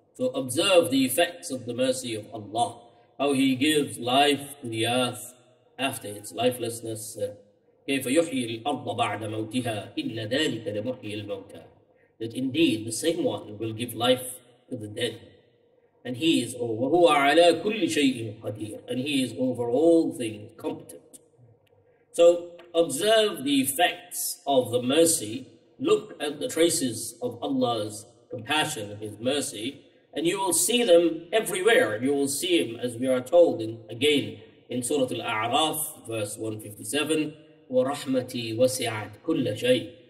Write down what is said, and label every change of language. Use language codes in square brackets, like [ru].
[en] So observe the effects of the mercy of Allah, how He gives life to the earth after its lifelessness. [ar] كَيْفَ يُحْيِي الْأَرْضَ بَعْدَ مَوْتِهَا إِلَّا ذَلِكَ لَمُحْيِي الْمَوْتَى. [en] That indeed the same one will give life to the dead. And He is over, [ar] وَهُوَ عَلَىٰ كُلِّ شَيْءٍ قَدِيرٍ. [en] And He is over all things competent. So observe the effects of the mercy, look at the traces of Allah's compassion and His mercy, and you will see them everywhere. You will see Him, as we are told again in Surah Al-A'raf, verse 157, [ar] وَرَحْمَتِي وَسِعَتْ كُلَّ شَيْءٍ.